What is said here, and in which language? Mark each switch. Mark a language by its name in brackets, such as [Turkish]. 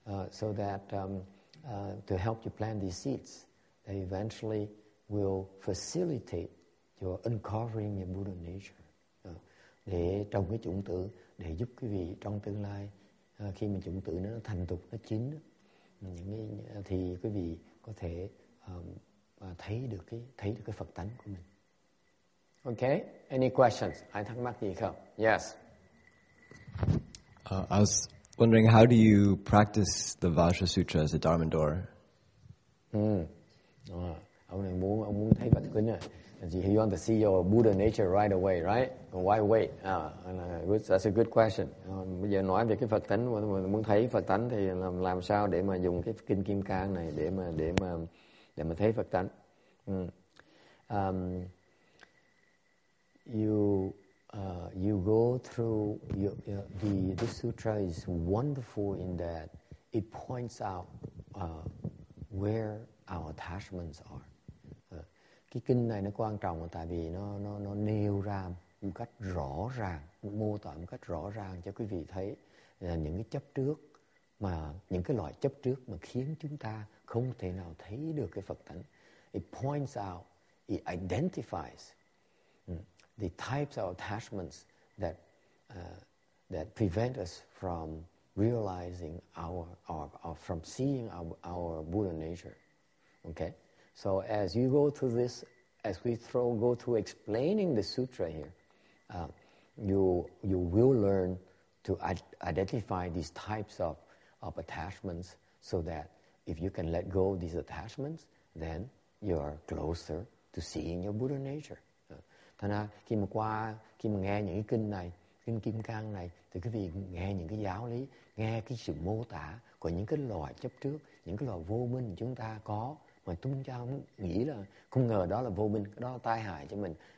[English] so that to help you plant these seeds that eventually will facilitate your uncovering your Buddha nature. [Vietnamese] Để trồng cái chủng tử để giúp quý vị trong tương lai khi mà chủng tử nó thành thục nó chín những thì quý vị có thể thấy được cái Phật tánh của mình. [English] Okay, any questions? [Vietnamese] Ai thắc mắc gì không? Yes. [English] I was wondering, how do you practice the Vajra Sutra as a dharma door? [Vietnamese] Ông muốn thấy Phật kinh à? [English] You want to see your Buddha nature right away, right? Why wait? That's a good question. [Vietnamese] Bây giờ nói về cái Phật tánh, muốn thấy Phật tánh thì làm sao để mà dùng cái kinh Kim Cang này để mà thấy Phật tánh? [English] You go through the sutra is wonderful in that it points out where our attachments are. [Vietnamese] Cái kinh này nó quan trọng là tại vì nó nêu ra một cách rõ ràng, mô tả một cách rõ ràng cho quý vị thấy là những cái chấp trước mà những cái loại chấp trước mà khiến chúng ta không thể nào thấy được cái Phật tánh. [English] It points out, it identifies the types of attachments that that prevent us from realizing our from seeing our Buddha nature. Okay? So as you go through this, as we go through explaining the sutra here, you will learn to identify these types of attachments so that if you can let go of these attachments, then you are closer to seeing your Buddha nature. [Vietnamese] Thành ra khi mà nghe những cái kinh này, kinh Kim Cang này, thì quý vị nghe những cái giáo lý, nghe cái sự mô tả của những cái loại chấp trước, những cái loại vô minh chúng ta có, mà chúng ta không nghĩ là không ngờ đó là vô minh, đó là tai hại cho mình.